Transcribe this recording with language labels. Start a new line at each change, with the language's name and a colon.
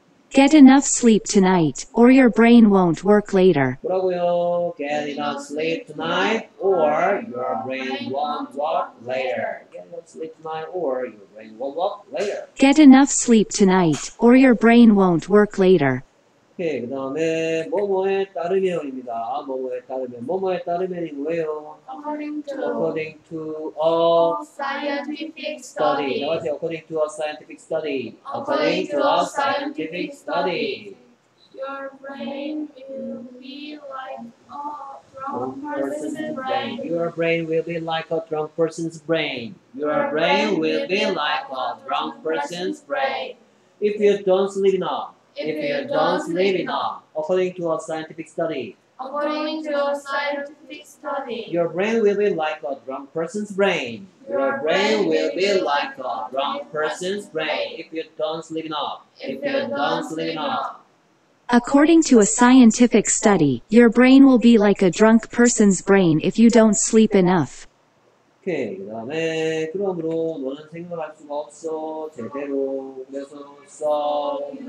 English: Get enough sleep tonight, or your brain won't work later.
Korean: 뭐라고요?
English: Get enough sleep tonight, or your brain won't work later. Get enough sleep tonight, or your brain won't work later. Get enough sleep tonight, or your brain won't work later.
Korean: 오케이, 그 다음에 뭐뭐에 따르면입니다. 뭐뭐에 따르면, 뭐뭐에 따르면이 뭐예요?
English: According to a scientific study. 나머지 according to a scientific study. According to a scientific study. Your brain will be like a drunk person's brain. Your brain will be like a drunk person's brain. Your brain will be like a drunk person's brain. If you don't sleep enough. If you don't sleep enough, according to a scientific study, according to a scientific study, your brain will be like a drunk person's brain. Your brain will be like a drunk person's brain if you don't sleep enough. If you don't sleep enough. According to a scientific study, your brain will be like a drunk person's brain if you don't sleep enough.
Korean: Okay, 그 다음에 그러므로 너는 생각할 수가 없어 제대로 그래서 써